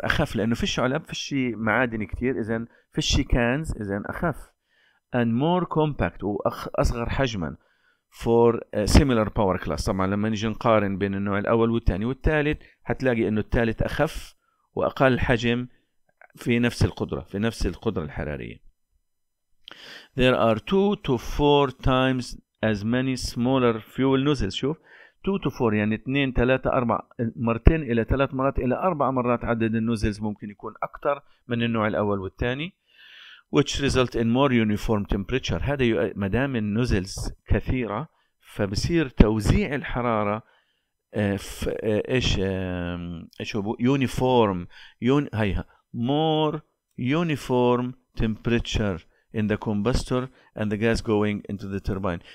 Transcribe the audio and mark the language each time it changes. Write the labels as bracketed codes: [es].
[ar] أخف لأنه فيش علب فيش معادن كتير إذن فيش كانز إذن أخف. [en] And more compact [ar] وأصغر حجما [en] for similar power class. [ar] طبعا لما نجي نقارن بين النوع الأول والثاني والثالث هتلاقي أنه الثالث أخف وأقل حجم في نفس القدرة في نفس القدرة الحرارية. [en] There are 2 to 4 times as many smaller fuel nozzles. [ar] شوف 2 to 4 يعني 2 3 4 مرتين الى 3 مرات الى 4 مرات عدد النوزلز ممكن يكون اكثر من النوع الاول والثاني. [en] which result in more uniform temperature. [ar] هذا ما دام النوزلز كثيره فبصير توزيع الحراره ايش [en] uniform هيها more uniform temperature in the combustor and the gas going into the turbine.